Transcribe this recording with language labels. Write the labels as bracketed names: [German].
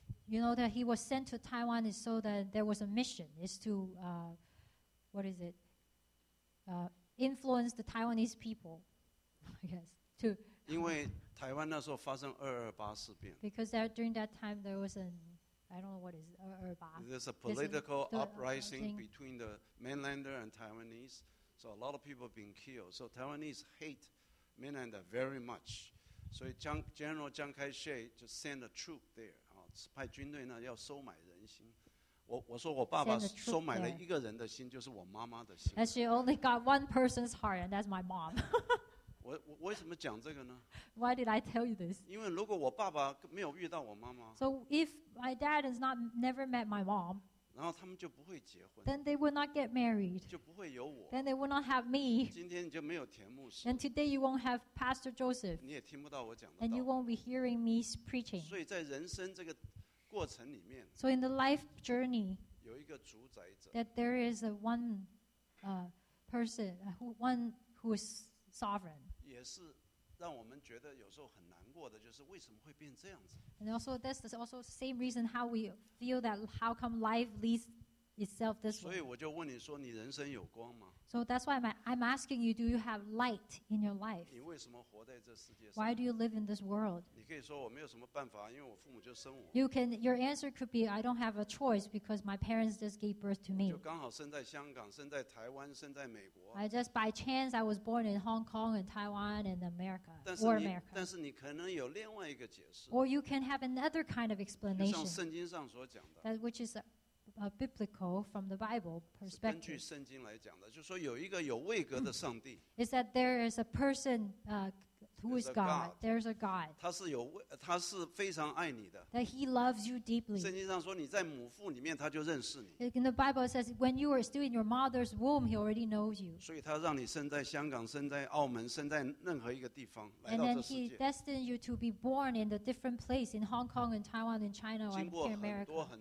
[English] You know that he was sent to Taiwan is so that there was a mission is to, what is it? Influence the Taiwanese people, I guess. [Chinese] 因为台湾那时候发生二二八事变。 [English] Because that, during that time there was an, I don't know what is 二二八. There's a political uprising between the mainlander and Taiwanese. So a lot of people have been killed. So Taiwanese hate mainlander very much. So General Chiang Kai-shek just sent a troop there. [Chinese] 派军队呢要收买人心，我说我爸爸收买了一个人的心，就是我妈妈的心。 [English] And she only got one person's heart, and that's my mom. [Chinese] 我我为什么讲这个呢? [English] Why did I tell you this? [Chinese] 因为如果我爸爸没有遇到我妈妈, [English] so if my dad has not never met my mom, [Chinese] 然后他们就不会结婚, [English] then they would not get married. [Chinese] 就不会有我, [English] then they would not have me. [Chinese] 今天你就没有田牧师, [English] and today you won't have Pastor Joseph. [Chinese] 你也听不到我讲的道, [English] and you won't be hearing me preaching. [Chinese] 所以在人生这个过程里面, [English] so in the life journey, [Chinese] 有一个主宰者, [English] that there is a one person, one who is sovereign. [Chinese] 也是让我们觉得有时候很难过的, 就是为什么会变这样子? [English] And also, this is also the same reason how we feel that how come life leads itself this way. [Chinese] 所以我就问你说, 你人生有光吗? [English] So that's why I'm asking you, do you have light in your life? [Chinese] 你为什么活在这世界上? [English] Why do you live in this world? [Chinese] 你可以说我没有什么办法, 因为我父母就生我。 [English] You can, your answer could be, I don't have a choice because my parents just gave birth to me. [Chinese] 就刚好生在香港, 生在台湾, 生在美国。 [English] I just, by chance, I was born in Hong Kong and Taiwan and America, [Chinese] 但是你, [English] or America. [Chinese] 但是你可能有另外一个解释。 [English] Or you can have another kind of explanation. [Chinese] 就像圣经上所讲的。 [English] That which is a biblical from the Bible perspective. [Chinese] 是根据圣经来讲的, 就是说有一个有位格的上帝, [English] is that there is a person who is God. There's a God. [Chinese] 他是有位, 他是非常爱你的, [English] that he loves you deeply. [Chinese] 圣经上说你在母腹里面, [English] in the Bible it says when you were still in your mother's womb, he already knows you. [Chinese] 所以他让你生在香港, 生在澳门, 生在任何一个地方, [English] and then he destined you to be born in the different place in Hong Kong and Taiwan and China and America.